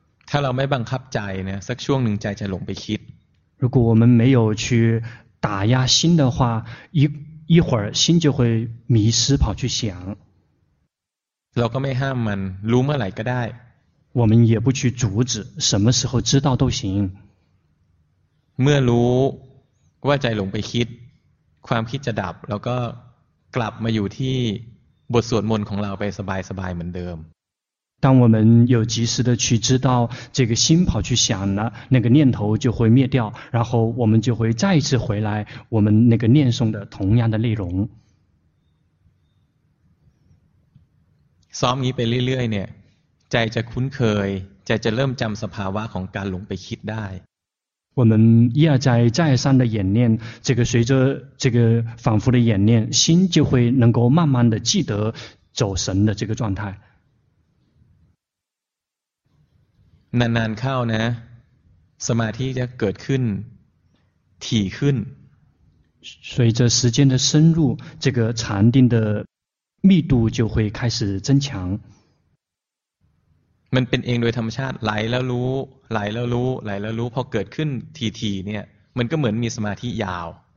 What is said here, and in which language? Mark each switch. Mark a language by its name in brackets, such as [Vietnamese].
[Thai] ถ้าเราไม่บังคับใจนะสักช่วงหนึ่งใจจะหลงไปคิด [Chinese] 如果我们没有去打压心的话一会儿心就会迷失跑去想 [Thai] เราก็ไม่ห้ามมันรู้เมื่อไหร่ก็ได้ [Chinese] 我们也不去阻止什么时候知道都行 [Thai] เมื่อรู้ว่าใจหลงไปคิดความคิดจะดับแล้วก็กลับมาอยู่ที่บทสวดมนต์ของเราไปสบายสบายเหมือนเดิม [Chinese] 当我们有及时的去知道这个心跑去想了那个念头就会灭掉然后我们就会再一次回来我们那个念诵的同样的内容 [Thai] ซ้อมนี้ไปเรื่อยๆเนี่ยใจจะคุ้นเคยใจจะเริ่มจำสภาวะของการหลงไปคิดได้ [Chinese] 我们一而再再三的演练这个随着这个反复的演练心就会能够慢慢的记得走神的这个状态 [Thai] นานๆเข้านะสมาธิจะเกิดขึ้นถี่ขึ้น [Chinese] 随着时间的深入这个禅定的密度就会开始增强 [Thai] มันเป็นเองโดยธรรมชาติไหลแล้วรู้ไหลแล้วรู้ไหลแล้วรู้พอเกิดขึ้นทีๆเนี่ยมันก็เหมือนมีสมาธิยาว